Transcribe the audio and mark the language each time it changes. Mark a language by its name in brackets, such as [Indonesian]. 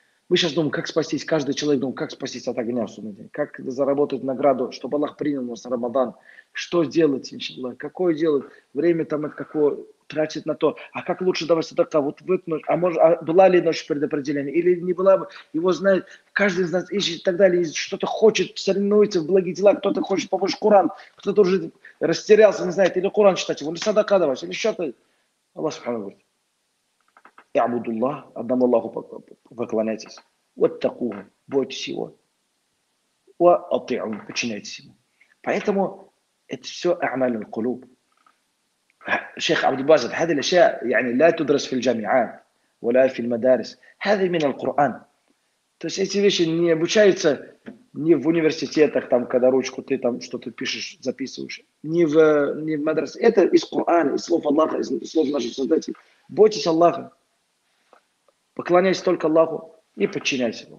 [Russian] Мы сейчас думаем, как спастись, каждый человек думает, как спастись от огня, как заработать награду, чтобы Аллах принял нас Рамадан, что делать, иншаллах, какое делать, время там это какое тратить на то, а как лучше давать садака, вот в эту ночь, а была ли ночь предопределения, или не была бы, его знает, каждый из нас ищет и так далее, что-то хочет, соревнуется в благие дела, кто-то хочет побольше Куран, кто-то уже растерялся, не знает, или Куран читать, или садака давать, или что-то, Аллах Субхану говорит. И Абудуллах, одному Аллаху поклоняйтесь. Вот такого, бойтесь его. Ва атиу, подчиняйтесь ему. Поэтому это все а'маль аль-кулуб. [Arabic] Шейх Абдул-Баз, هذه الأشياء يعني لا تدرس في الجامعات ولا في المدارس. هذه من القرآن. [Russian] То есть эти вещи не обучаются ни в университетах, там, когда ручку ты там что-то пишешь, записываешь, ни в мадрасе. Это из Корана, из слов Аллаха, из слов наших создателей. Бойтесь Аллаха. Поклоняйся только Аллаху и подчиняйся ему.